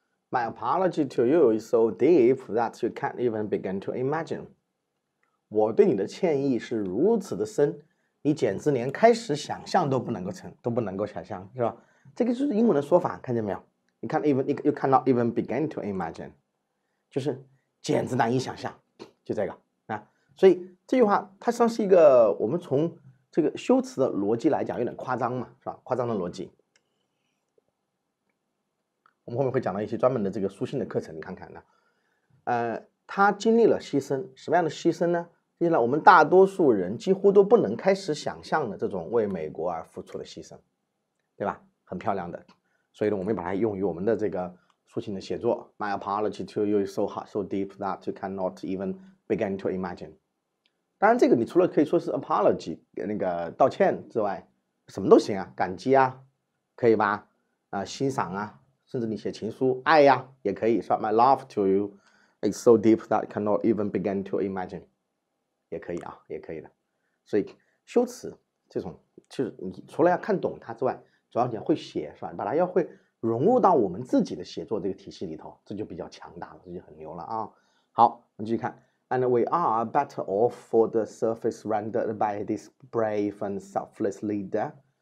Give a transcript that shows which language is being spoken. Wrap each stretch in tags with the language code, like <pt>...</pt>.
<en>My apology to you is so deep that you can't even begin to imagine.</en> <zh>我对你的歉意是如此的深，你简直连开始想象都不能够想象，是吧？这个就是英文的说法，看见没有？你</zh> <en>can't even you cannot even begin to imagine，</en> <zh>就是简直难以想象，就这个啊。所以这句话它实际上是一个我们从这个修辞的逻辑来讲有点夸张嘛，是吧？夸张的逻辑，我们后面会讲到一些专门的这个书信的课程，你看看呢。他经历了牺牲，什么样的牺牲呢？经历了我们大多数人几乎都不能开始想象的这种为美国而付出的牺牲，对吧？很漂亮的。所以呢，我们把它用于我们的这个抒情的写作。</zh> <en>My apology to you is so hard, so deep that you cannot even begin to imagine。</en> <zh>当然，这个你除了可以说是 apology 那个道歉之外，什么都行啊，感激啊，可以吧？欣赏啊，甚至你写情书，爱呀、也可以，是吧？</zh> <en>My love to you is so deep that cannot even begin to imagine，</en> <zh>也可以啊，也可以的。所以修辞这种，就是你除了要看懂它之外，主要你要会写，是吧？把它要会融入到我们自己的写作这个体系里头，这就比较强大了，这就很牛了啊！好，我们继续看，</zh> <en>And we are better off for the service rendered by this brave and selfless leader.</en>